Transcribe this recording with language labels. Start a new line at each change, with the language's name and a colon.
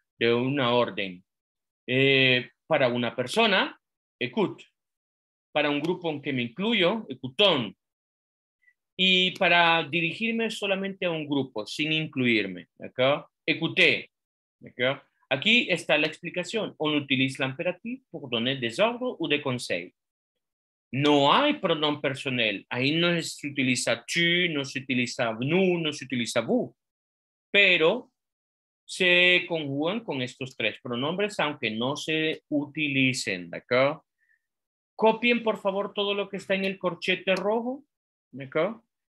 Spanish: De una orden. Para una persona, écoute. Para un grupo en que me incluyo, écoutons. Y para dirigirme solamente a un grupo, sin incluirme, ¿de acuerdo? Écoutez, ¿de acuerdo? Aquí está la explicación.
French: On utilise l'imperatif pour donner des ordres ou des conseils.
Spanish: No hay pronombre personal. Ahí no se utiliza tu, no se utiliza nous, no se utiliza vous. Pero se conjugan con estos tres pronombres, aunque no se utilicen, ¿de acuerdo? Copien, por favor, todo lo que está en el corchete rojo, ¿de acuerdo?